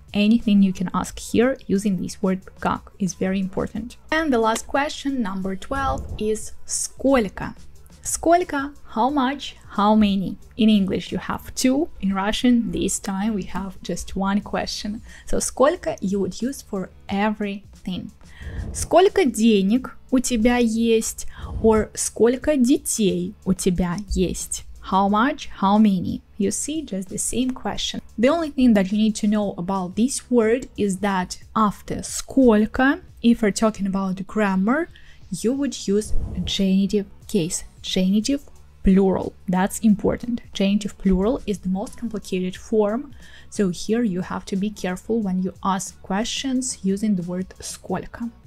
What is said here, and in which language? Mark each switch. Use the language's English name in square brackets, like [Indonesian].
[English] Anything you can ask here using this word как is very important. And the last question, number 12, is сколько. Сколько, how much, how many. In English you have two, in Russian this time we have just one question. So сколько you would use for everything. [Russian] Сколько денег у тебя есть, or сколько детей у тебя есть. [English] How much, how many. You see, just the same question. The only thing that you need to know about this word is that after сколько, if we're talking about grammar, you would use a genitive case. Genitive plural, that's important. Genitive plural is the most complicated form, so here you have to be careful when you ask questions using the word сколько.